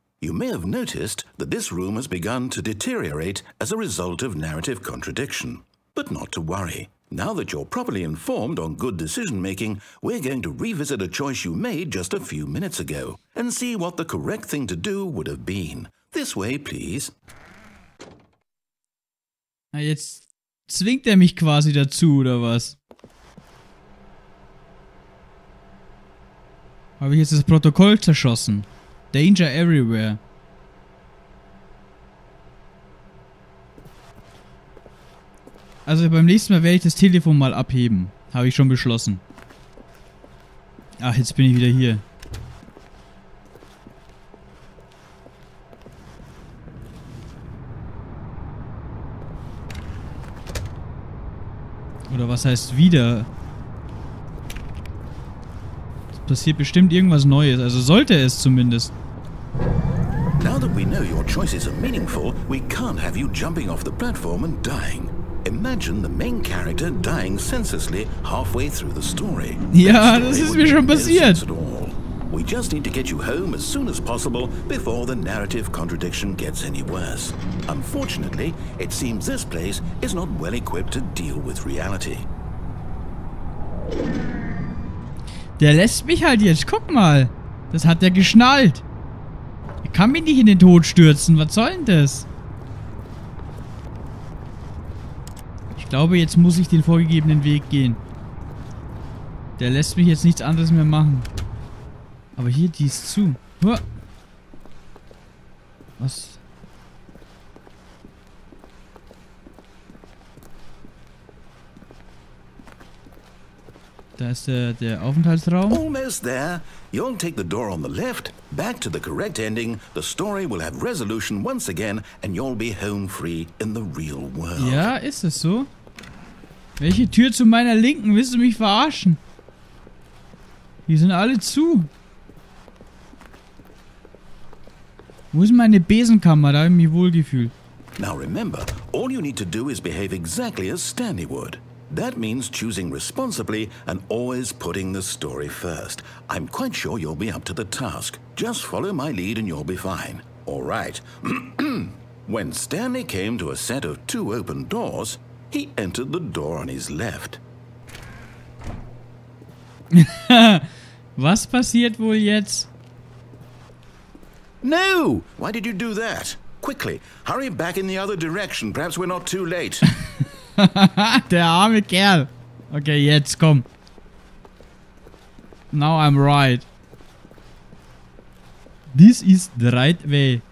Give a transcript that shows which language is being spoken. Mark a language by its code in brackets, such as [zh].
[en] You may have noticed that this room has begun to deteriorate as a result of narrative contradiction. But not to worry. Now that you're properly informed on good decision-making, we're going to revisit a choice you made just a few minutes ago and see what the correct thing to do would have been. This way, please. [de] Na, jetzt zwingt mich quasi dazu, oder was? Habe ich jetzt das Protokoll zerschossen? [en] Danger everywhere. [de] Also beim nächsten Mal werde ich das Telefon mal abheben. Habe ich schon beschlossen. Ach, jetzt bin ich wieder hier. Oder was heißt wieder? Es passiert bestimmt irgendwas Neues. Also sollte es zumindest. [en] Now that we know your choices are meaningful, we can't have you jumping off the platform and dying. Imagine the main character dying senselessly halfway through the story. [de] Ja, das ist mir schon passiert. [en] We just need to get you home as soon as possible before the narrative contradiction gets any worse. Unfortunately, it seems this place is not well equipped to deal with reality. [de] Der lässt mich halt jetzt. Guck mal. Das hat der geschnallt. Ich kann mich nicht in den Tod stürzen. Was soll denn das? Ich glaube, jetzt muss ich den vorgegebenen Weg gehen. Der lässt mich jetzt nichts anderes mehr machen. Aber hier, die ist zu. Huah. Was? Da ist der Aufenthaltsraum. [en] Almost there. You'll take the door on the left, back to the correct ending. The story will have resolution once again and you'll be home free in the real world. [de] Ja, ist es so? Welche Tür zu meiner Linken? Willst du mich verarschen? Hier sind alle zu. Wo ist meine Besenkammer? Da habe ich mich wohlgefühlt. [en] Now remember, all you need to do is behave exactly as Stanley would. That means choosing responsibly and always putting the story first. I'm quite sure you'll be up to the task. Just follow my lead and you'll be fine. All right. When Stanley came to a set of 2 open doors, he entered the door on his left. [de] Was passiert wohl jetzt? [en] No! Why did you do that? Quickly, hurry back in the other direction. Perhaps we're not too late. [de] Der arme Kerl. Okay, jetzt komm. [en] Now I'm right. This is the right way.